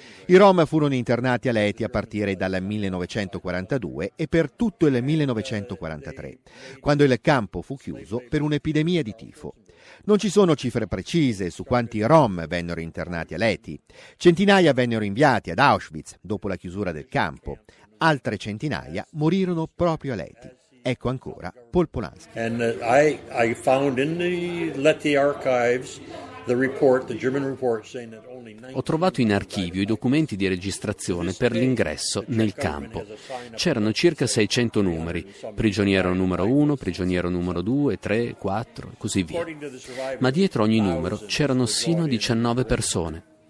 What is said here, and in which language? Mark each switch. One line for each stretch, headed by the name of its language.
Italian: I Rom furono internati a Leti a partire dal 1942 e per tutto il 1943, quando il campo fu chiuso per un'epidemia di tifo. Non ci sono cifre precise su quanti Rom vennero internati a Leti. Centinaia vennero inviati ad Auschwitz dopo la chiusura del campo. Altre centinaia morirono proprio a Leti. Ecco ancora Paul Polanski.
English: And I found in the Leti archives the report, the German report saying that only 19.
Italian: Ho trovato in archivio i documenti di registrazione per l'ingresso nel campo. C'erano circa 600 numeri, prigioniero numero 1, prigioniero numero 2, 3, 4, così via. Ma dietro ogni numero c'erano sino 19 persone.